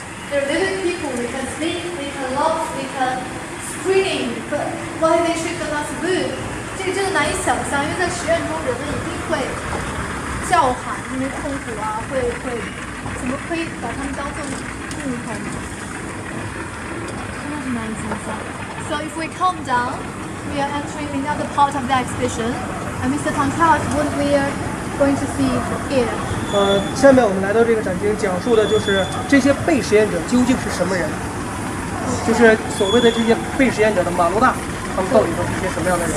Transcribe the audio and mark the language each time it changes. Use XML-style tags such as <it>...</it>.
<en>They're living people, they can sleep, they can love, they can screen, but why they treat them as wood?</en> <zh>这个真的难以想象，因为在实验中人们一定会叫喊，因为痛苦啊，会怎么可以把他们当做木头呢？真的是难以想象。</zh> <en>So if we calm down, we are entering another part of the exhibition. And Mr. Tang Kai, what we are going to see here.</en> <zh>下面我们来到这个展厅，讲述的就是这些被实验者究竟是什么人，</zh> <en>okay.</en> <zh>就是所谓的这些被实验者的马路大，他们到底都是些什么样的人</zh>